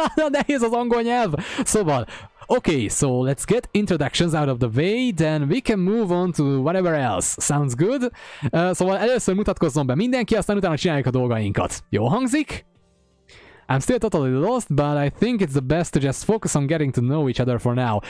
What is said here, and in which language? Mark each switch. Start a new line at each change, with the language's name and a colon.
Hungarian: Nehéz az angol nyelv. Szóval,
English: okay, so let's get introductions out of the way, then we can move on to whatever else. Sounds good.
Hungarian: Szóval először mutatkozzon be mindenki, aztán utána csináljuk a dolgainkat. Jó hangzik?
English: I'm still totally lost, but I think it's the best to just focus on getting to know each other for now.